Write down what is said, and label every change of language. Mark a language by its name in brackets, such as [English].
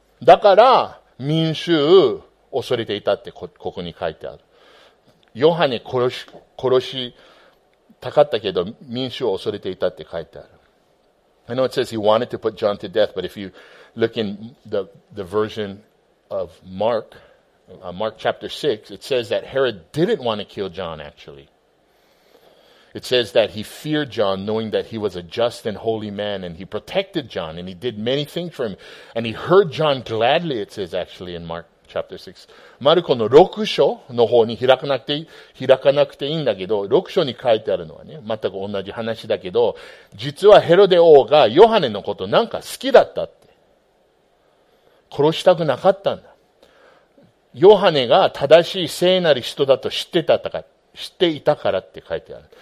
[Japanese] だから、民衆を恐れていたって ここに書いてある。ヨハネ殺し、たかったけど民衆を恐れていたって書いてある。 [English] I know it says he wanted to put John to death, but if you look in the version of Mark, Mark chapter 6, it says that Herod didn't want to kill John actually. It says that he feared John knowing that he was a just and holy man and he protected John and he did many things for him and he heard John gladly, it says actually in Mark chapter 6. [Japanese] マルコの6章の方に開かなくていいんだけど、6章に書いてあるのはね、全く同じ話だけど、実はヘロデ王がヨハネのことなんか好きだったって。殺したくなかったんだ。ヨハネが正しい聖なる人だと知っていたからって書いてある。